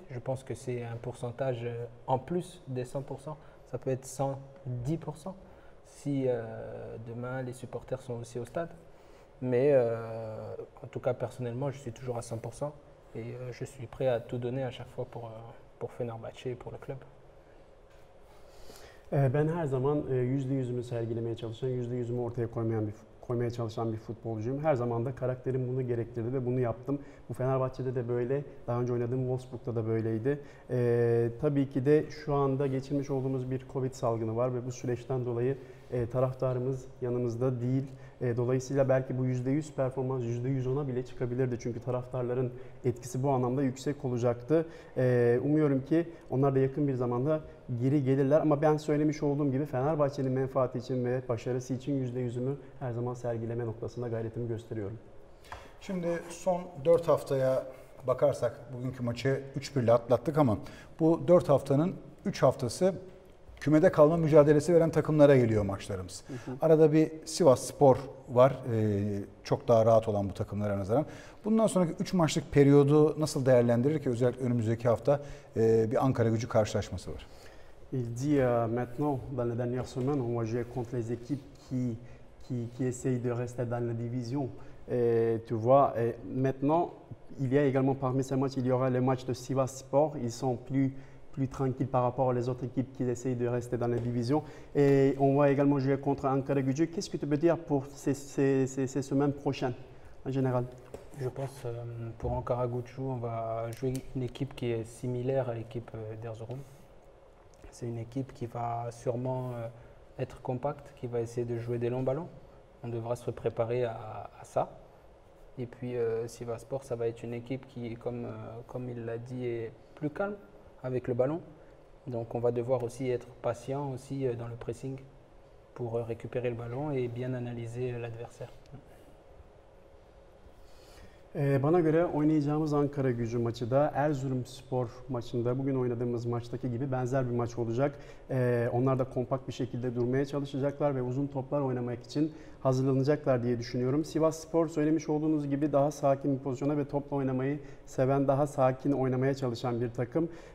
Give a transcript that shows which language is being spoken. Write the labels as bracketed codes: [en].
[fr] Je pense que c'est un pourcentage en plus des 100%. Ça peut être 110% si demain, les supporters sont aussi au stade. Mais en tout cas, personnellement, je suis toujours à 100%. Et je suis prêt à tout donner à chaque fois pour Fenerbahçe et pour le club. [tr] Ben her zaman %100'ümü sergilemeye çalışan, %100'ümü ortaya koymaya çalışan bir futbolcuyum. Her zaman da karakterim bunu gerektirdi ve bunu yaptım. Bu Fenerbahçe'de de böyle, daha önce oynadığım Wolfsburg'da da böyleydi. Tabii ki de şu anda geçirmiş olduğumuz bir Covid salgını var ve bu süreçten dolayı taraftarımız yanımızda değil. Dolayısıyla belki bu %100 performans %110'a bile çıkabilirdi. Çünkü taraftarların etkisi bu anlamda yüksek olacaktı. Umuyorum ki onlar da yakın bir zamanda geri gelirler. Ama ben söylemiş olduğum gibi Fenerbahçe'nin menfaati için ve başarısı için %100'ümü her zaman sergileme noktasında gayretimi gösteriyorum. Şimdi son 4 haftaya bakarsak, bugünkü maçı 3-1 ile atlattık ama bu 4 haftanın 3 haftası kümede kalma mücadelesi veren takımlara geliyor maçlarımız. Hı hı. Arada bir Sivas Spor var. Çok daha rahat olan bu takımlara nazaran. Bundan sonraki 3 maçlık periyodu nasıl değerlendirir ki? Özellikle önümüzdeki hafta bir Ankara Gücü karşılaşması var. [fr] Il dit maintenant, dans les dernières semaines, on va jouer contre les équipes qui essayent de rester dans la division. Tu vois, maintenant, il y a également parmi ces matchs, il y aura les matchs de Sivas Spor. Ils sont plus tranquille par rapport aux autres équipes qui essayent de rester dans la division. Et on va également jouer contre Ankara Gücü. Qu'est-ce que tu peux dire pour ces semaines prochaines, en général? Je pense pour Ankara Gücü, on va jouer une équipe qui est similaire à l'équipe d'Erzurum. C'est une équipe qui va sûrement être compacte, qui va essayer de jouer des longs ballons. On devra se préparer à ça. Et puis Sivasspor, ça va être une équipe qui, comme il l'a dit, est plus calme avec le ballon. Donc on va devoir aussi être patient aussi dans le pressing pour récupérer le ballon et bien analyser l'adversaire. [tr] Bana göre oynayacağımız Ankara Gücü maçı da Erzurumspor maçında bugün oynadığımız maçtaki gibi benzer bir maç olacak. Onlar da kompakt bir şekilde durmaya çalışacaklar ve uzun toplar oynamak için hazırlanacaklar diye düşünüyorum. Sivasspor söylemiş olduğunuz gibi daha sakin bir pozisyona ve topla oynamayı seven, daha sakin oynamaya çalışan bir takım.